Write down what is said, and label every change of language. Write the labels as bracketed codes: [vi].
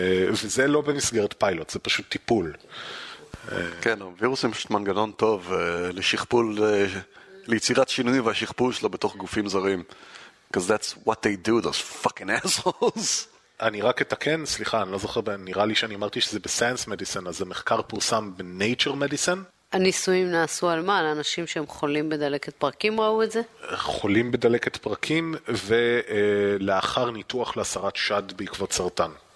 [he] וזה לא במסגרת פיילוט, זה פשוט טיפול. כן, וירוסים פשוט מנגנון טוב לשכפול, ליצירת שינויים והשכפול שלו בתוך גופים זרים. [en] Because that's what they do, those fucking assholes. [he] אני רק אתקן, סליחה, אני לא זוכר, נראה לי שאני אמרתי שזה בסיינס מדיסן, אז זה מחקר פורסם בנייצ'ר מדיסן. הניסויים נעשו על מה? על אנשים שהם חולים בדלקת פרקים ראו את זה? חולים בדלקת פרקים, ולאחר ניתוח להסרת שד בעקבות סרטן.